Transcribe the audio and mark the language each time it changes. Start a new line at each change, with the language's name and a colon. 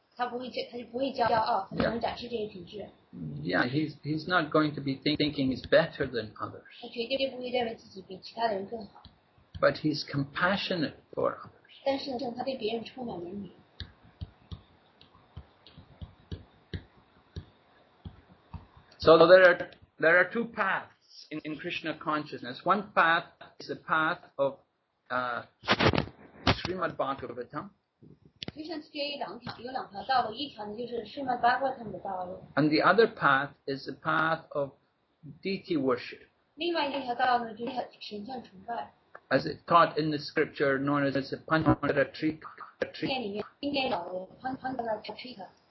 Chinese: 他就不会骄傲，他就能展示这些品质。
English: Yeah, he's not going to be thinking he's better than others.
Chinese: 他绝对不会认为自己比其他的人更好。
English: But he's compassionate for others.
Chinese: 但是呢，他对别人充满怜悯。
English: So there are two paths in Krishna consciousness. One path is the path of Srimad Bhagavatam.
Chinese: Krishna 知觉有两条道路，一条呢就是 Srimad Bhagavatam 的道路。
English: And the other path is the path of deity worship.
Chinese: 另外一条道路就是形象崇拜。
English: As it taught in the scripture known as the Panchatrika.
Chinese: 经典里面经典讲的 Panchatrika.